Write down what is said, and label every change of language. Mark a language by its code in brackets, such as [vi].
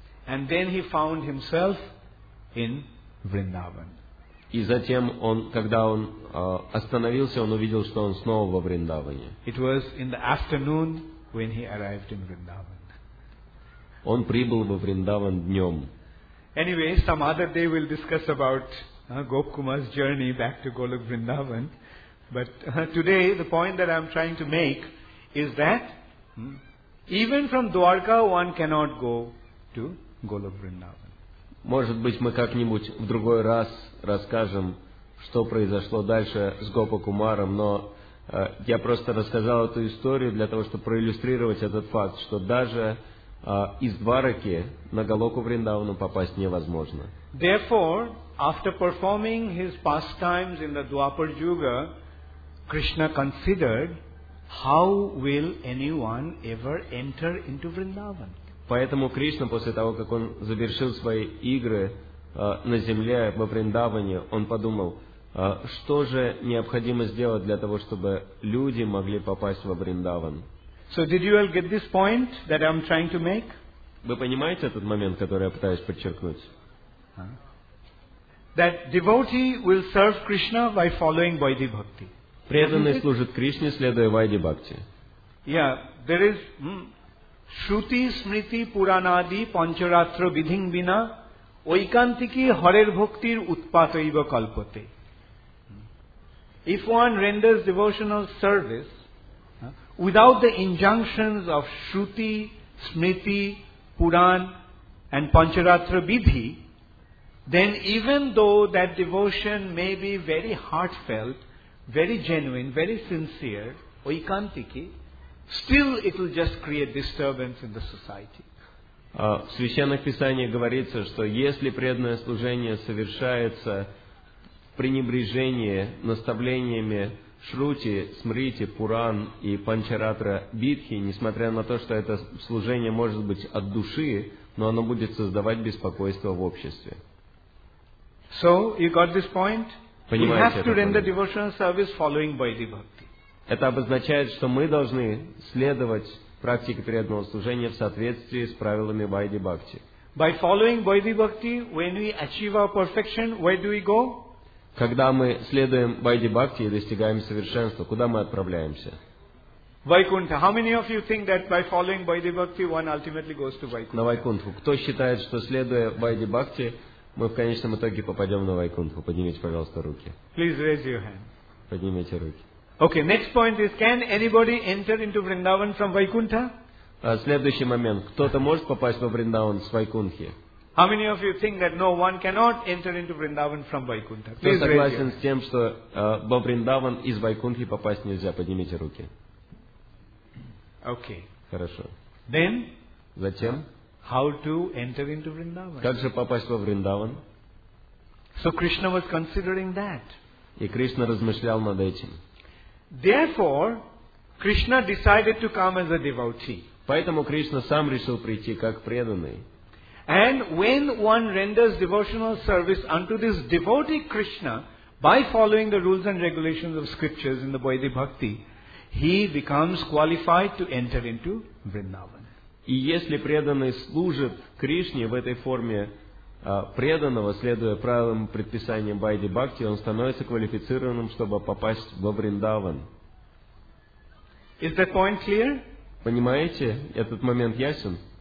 [en] And then he found himself in Vrindavan. [ru] И затем, когда он остановился, он увидел, что он снова во Вриндаване. [en] It was in the afternoon when he arrived in Vrindavan. [ru] Он прибыл во Вриндаван днем. [en] Anyway, some other day we'll discuss about Gopa Kumar's journey back to Golok Vrindavan. But today, the point that I'm trying to make is that even from Dwarka, one cannot go to Golok Vrindavan. [ru] Может быть, мы как-нибудь в другой раз расскажем, что произошло дальше с Гопа Кумаром, но я просто рассказал эту историю для того, чтобы проиллюстрировать этот факт, что даже из Двараки на Голоку Вриндавану попасть невозможно. [en] Therefore, after performing his pastimes in the Dwapar Yuga, Krishna considered, how will anyone ever enter into Vrindavan? [ru] Поэтому Кришна, после того, как он завершил свои игры на земле во Вриндаване, он подумал, что же необходимо сделать для того, чтобы люди могли попасть во Вриндаван. [en] So did you all get this point that I'm trying to make? [ru] Вы понимаете этот момент, который я пытаюсь подчеркнуть? [en] That devotee will serve Krishna by following Vaidhi Bhakti. [ru] Преданный служит Кришне, следуя Вайди Бхакти. [en] Yeah, there is [sa] Shruti, Smriti, Puranadi, Pancharatra, Vidhing Vina, Oikantiki, Harer Bhaktir, Utpatoiva Kalpate. [en] If one renders devotional service without the injunctions of Shruti, Smriti, Puran, and Pancharatra Vidhi, then even though that devotion may be very heartfelt, very genuine, very sincere, Oikantiki, still it will just create disturbance in the society. [ru] В Священных Писаниях говорится, что если преданное служение совершается в пренебрежении наставлениями Шрути, Смрити, Пуран и Панчаратра Бидхи, несмотря на то, что это служение может быть от души, но оно будет создавать беспокойство в обществе. [en] So, you got this point? [ru] Понимаете, [en] you have to render devotional service following Vaidhi Bhakti. [ru] Это обозначает, что мы должны следовать практике преданного служения в соответствии с правилами Вайди Бхакти. [en] By following Vaidhi Bhakti, when we achieve our perfection, where do we go? [ru] Когда мы следуем Вайди Бхакти и достигаем совершенства, куда мы отправляемся? Вайкунта. [en] How many of you think that by following Vaidhi Bhakti, one ultimately goes to Vaikuntha? [ru] На Вайкунту. Кто считает, что следуя Вайди Бхакти, мы в конечном итоге попадем на Вайкунту? Поднимите, пожалуйста, руки. [en] Please raise your hand. [ru] Поднимите руки. [en] Okay, next point is, can anybody enter into Vrindavan from Vaikuntha? [ru] Следующий момент. Кто-то может попасть во Вриндаван с Вайкунхи? [en] How many of you think that no one cannot enter into Vrindavan from Vaikuntha? [ru] Кто согласен с тем, что во Вриндаван из Вайкунхи попасть нельзя? Поднимите руки. [en] Okay. [ru] Хорошо. [en] Then? [ru] Затем? [en] How to enter into Vrindavan? [ru] Как же попасть во Вриндаван? [en] So Krishna was considering that. [ru] И Кришна размышлял над этим. [en] Therefore, Krishna decided to come as a devotee. [ru] Поэтому Кришна сам решил прийти как преданный. [en] And when one renders devotional service unto this devotee Krishna by following the rules and regulations of scriptures in the Vaidhi Bhakti, he becomes qualified to enter into Vrindavan. [ru] И если преданный служит Кришне в этой форме преданного, следуя правилам и предписаниям Вайди Бхакти, он становится квалифицированным, чтобы попасть во Вриндаван. [en] Is that point clear? [ru] Понимаете, этот момент ясен?